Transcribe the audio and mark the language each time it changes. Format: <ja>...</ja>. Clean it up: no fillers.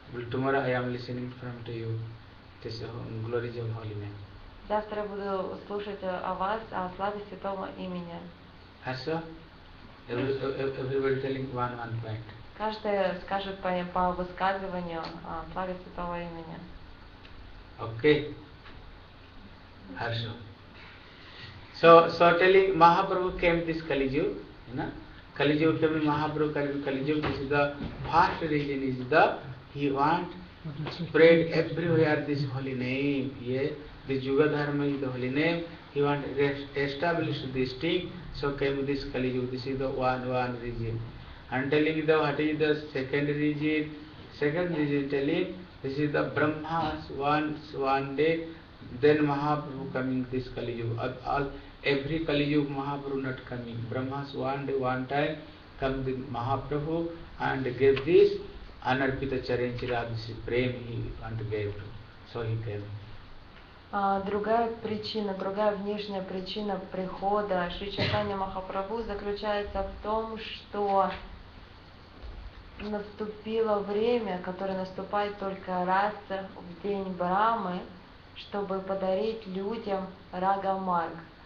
<en>Tomorrow I am listening from to you. This glory of holy name.</en> <ru>Завтра буду слушать о вас, о славе святого имени. Хорошо?</ru> <en>Everybody telling one point.</en> <ru>Каждый скажет по высказыванию о славе святого имени. Окей. Хорошо.</ru> <en>So telling Mahaprabhu came this Kali Yuga, you know? Kali Yuga came in Mahaprabhu, Kali Yuga, this is the first religion, is the he want spread everywhere this holy name. Yeah? The Yuga Dharma is the holy name. He want establish this thing. So came this Kali Yuga. This is the one region. And telling the what is the second region? Second region telling this is the Brahma's one day. Then Mahaprabhu coming this Kali Yuga. All every Kali Yuga Mahaprabhu not coming. Brahma's one day one time come the Mahaprabhu and gave this Anarpita Charanchira. This is prem he want to give. So he came.</en> <ru>Другая причина, другая внешняя причина прихода Шри Чайтанья Махапрабху заключается в том, что наступило время, которое наступает только раз в день Брахмы, чтобы подарить людям Рагамарг.</ru>